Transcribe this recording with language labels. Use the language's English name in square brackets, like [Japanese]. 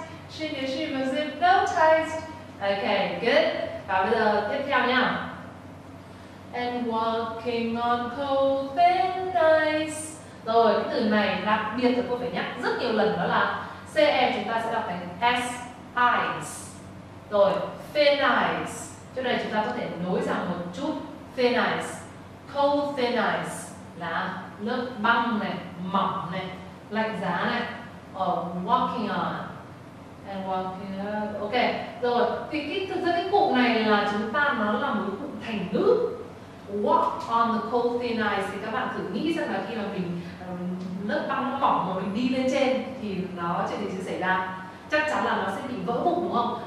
[English] She knew she was hypnotized. Okay, good. [Vietnamese] Và bây giờ tiếp theo nha. [English] And walking on cold and ice. [Vietnamese] Rồi, cái từ này đặc biệt thì cô phải nhắc rất nhiều lần, đó là CE chúng ta sẽ đọc thành S, ice. Rồi, thin ice. Chỗ này chúng ta có thể nối dạng một chút. [English] Thin ice, cold thin ice [Vietnamese] là lớp băng này, mỏng này, lạnh giá này. [English] Walking on and walking on. [Vietnamese] Ok, rồi, thì thực ra cái cụm này là chúng ta nó là một cụm thành ngữ. [English] Walk on the cold thin ice, [Vietnamese] thì các bạn thử nghĩ rằng là khi mà mình lớp băng nó mỏng mà mình đi lên trên thì nó chuyện gì sẽ xảy ra, chắc chắn là nó sẽ bị vỡ bụng đúng không?